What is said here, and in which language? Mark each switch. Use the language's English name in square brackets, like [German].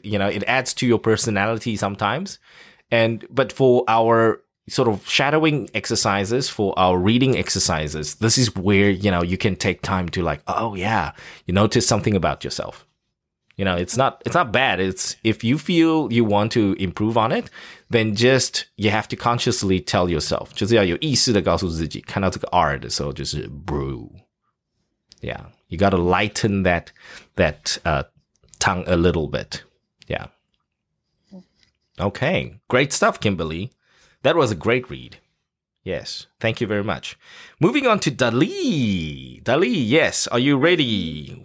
[English] You know, it adds to your personality sometimes. But for our sort of shadowing exercises, for our reading exercises, this is where, you know, you can take time to like, oh yeah, you notice something about yourself. You know, it's not bad. It's if you feel you want to improve on it, then just you have to consciously tell yourself. [Chinese] 就是要有意识的告诉自己，看到这个R的时候就是 brew. [English] Yeah, you got to lighten that tongue a little bit. Yeah. Okay, great stuff, Kimberly. That was a great read. Yes, thank you very much. Moving on to Dali. Dali, yes, are you ready?